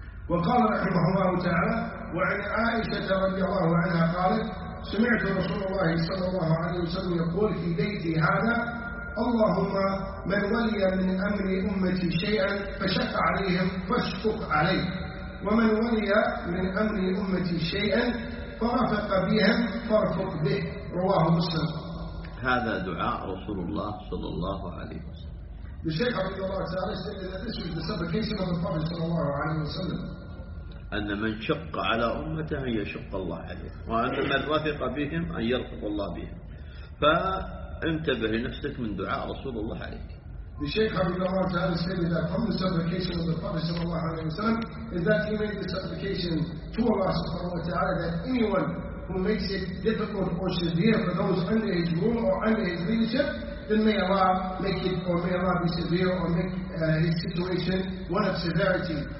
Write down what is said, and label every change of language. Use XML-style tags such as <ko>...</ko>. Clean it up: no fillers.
<ar>وقال رحمه الله تعالى وعن عائشة رضي الله عنها قالت سمعت رسول الله صلى الله عليه وسلم يقول في بيتي هذا اللهم من ولي من أمر أمتي شيئا فشق عليهم فاشفق عليه ومن ولي من أمر أمتي شيئا فرفق بهم فارفق به رواه مسلم. هذا دعاء رسول الله صلى الله عليه وسلم.</ar> <en>The Shaykh Abdullah Ta'ala said that this was the supplication of the Prophet sallallahu alayhi wa sallam.</en> <ar>أن من شق على أمته يشق الله عليه، وأن من رفق بهم أن يرفق الله بهم. فانتبه لنفسك من دعاء رسول الله عليه.</ar> <en>The Shaykh Abdullah Ta'ala said that from the supplication of the Prophet sallallahu alayhi wa sallam is that he made the supplication to Allah subhanahu wa ta'ala that anyone who makes it difficult or severe for those under his rule or under his leadership, then may Allah make it, or may Allah be severe, or make his situation one of severity.</en>